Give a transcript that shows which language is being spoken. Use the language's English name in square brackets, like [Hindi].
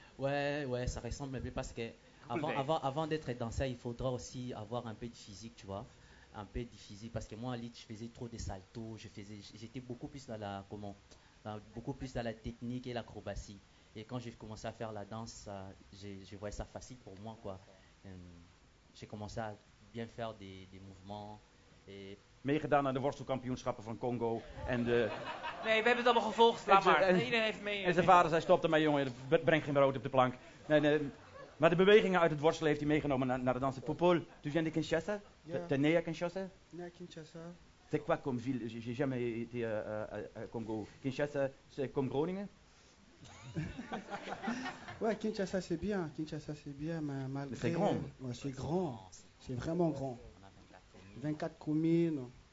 [French] Ouais, ça ressemble, mais parce que avant d'être danseur, il faudra aussi avoir un peu de physique, tu vois. Un peu de physique, parce que moi, à lutte, je faisais trop de saltos, j'étais beaucoup plus dans la technique et l'acrobatie. Et quand j'ai commencé à faire la danse, je voyais ça facile pour moi, quoi. J'ai commencé à bien faire des mouvements. Et [Dutch] meegedaan aan de worstelkampioenschappen van Congo. En de nee, we hebben het allemaal gevolgd. Laat maar. Iedereen heeft mee. En zijn vader zei, stop ermee, jongen. Breng geen brood op de plank. Nee. Maar de bewegingen uit het worstelen heeft hij meegenomen naar de dans. [French] Popol, tu viens de Kinshasa? T'es né à Kinshasa? Né à Kinshasa. C'est quoi comme ville? J'ai jamais été à Congo. Kinshasa, c'est comme Groningen? Ouais, Kinshasa c'est bien. Kinshasa c'est bien, mais c'est grand. Ouais, c'est grand. C'est vraiment grand. 24 communes.